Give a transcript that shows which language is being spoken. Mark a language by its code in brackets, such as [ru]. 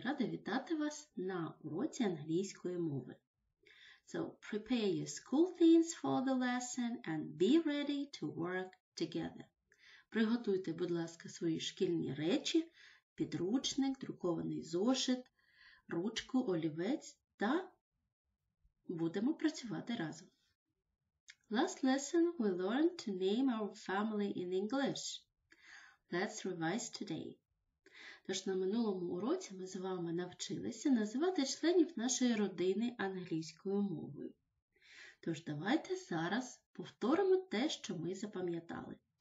[uk] Рада вітати вас на уроці англійської мови. [en] So, prepare your school things for the lesson and be ready to work together. [uk] Приготуйте, будь ласка, свої шкільні речі, підручник, друкований зошит, ручку, олівець та будемо працювати разом. [en] Last lesson we learned to name our family in English. Let's revise today. [uk] Тож на минулому уроці ми з вами навчилися називати членів нашої родини англійською мовою. Тож давайте зараз повторимо те, що ми запам'ятали.